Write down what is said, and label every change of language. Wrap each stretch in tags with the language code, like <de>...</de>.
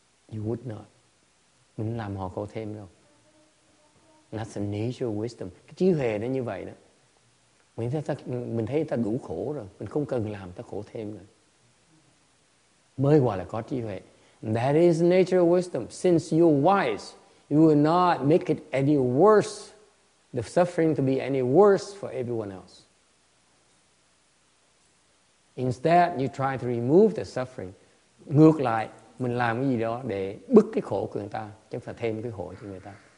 <en>You would not.</en> <vi>Mình làm họ khổ thêm đâu.</vi> <en>That's the nature of wisdom.</en> <vi>Cái trí huệ nó như vậy đó. Mình thấy ta đủ khổ rồi. Mình không cần làm ta khổ thêm nữa. Mới gọi là có trí huệ.</vi> <en>That is the nature of wisdom. Since you're wise, you will not make it any worse, the suffering to be any worse for everyone else. Instead, you try to remove the suffering.</en> <vi>Ngược lại, mình làm cái gì đó để bứt cái khổ của người ta, chứ phải thêm cái khổ cho người ta.</vi>